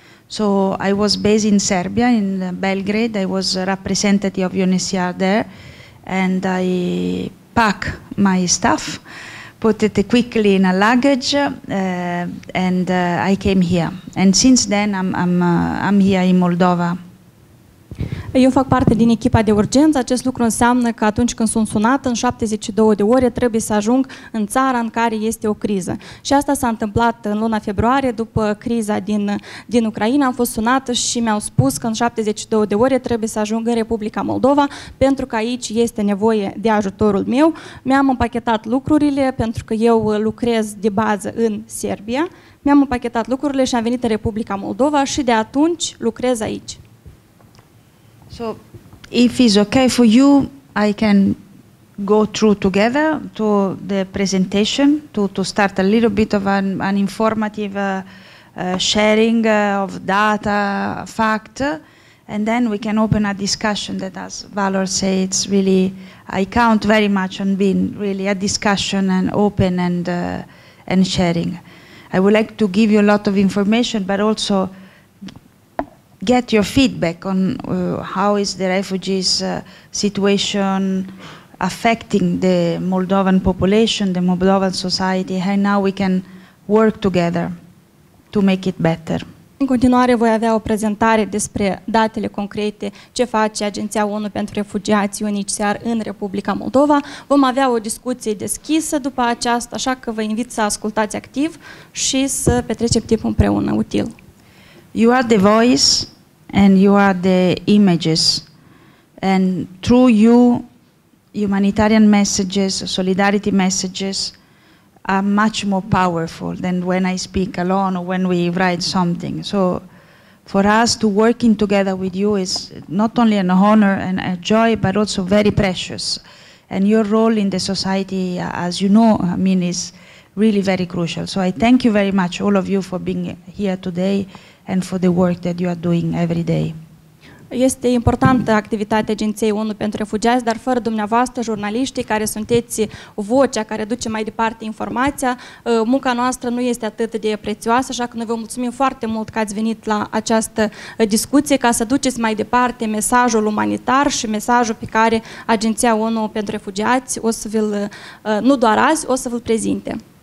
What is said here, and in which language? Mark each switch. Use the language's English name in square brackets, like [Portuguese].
[English] So I was based in Serbia, in Belgrade. I was a representative of UNHCR there, and I packed my stuff, put it quickly in a luggage, and I came here. And since then, I'm here in Moldova. [Romanian] Eu fac parte din echipa de urgență. Acest lucru înseamnă că atunci când sunt sunat, în 72 de ore trebuie să ajung în țara în care este o criză. Și asta s-a întâmplat în luna februarie, după criza din Ucraina. Am fost sunat și mi-au spus că în 72 de ore trebuie să ajung în Republica Moldova, pentru că aici este nevoie de ajutorul meu. Mi-am împachetat lucrurile, pentru că eu lucrez de bază în Serbia. Mi-am împachetat lucrurile și am venit în Republica Moldova și de atunci lucrez aici. [English] So, if it's okay for you, I can go through together to the presentation to start a little bit of an informative sharing of data, fact, and then we can open a discussion that, as Valor says, it's really, I count very much on being really a discussion and open and sharing. I would like to give you a lot of information, but also get your feedback on how is the refugees situation affecting the Moldovan population, the Moldovan society, and how we can work together to make it better. [Romanian] În continuare voi avea o prezentare despre datele concrete, ce face Agenția ONU pentru Refugiați UNHCR în Republica Moldova. Vom avea o discuție deschisă după aceasta, așa că vă invit să ascultați activ și să petrecem timp împreună util. [English] You are the voice and you are the images, and through you, humanitarian messages, solidarity messages are much more powerful than when I speak alone or when we write something. So for us to work in together with you is not only an honor and a joy, but also very precious. And your role in the society, as you know, I mean, is really very crucial. So I thank you very much, all of you, for being here today and for the work that you are doing every day. [Romanian] Este importantă activitatea Agenției ONU pentru Refugiați, dar fără dumneavoastră, jurnaliștii, care sunteți vocea care duce mai departe informația, munca noastră nu este atât de prețioasă, așa că noi vă mulțumim foarte mult că ați venit la această discuție ca să duceți mai departe mesajul umanitar și mesajul pe care Agenția ONU pentru Refugiați o să vi-l, nu doar azi, o să vi-l prezinte.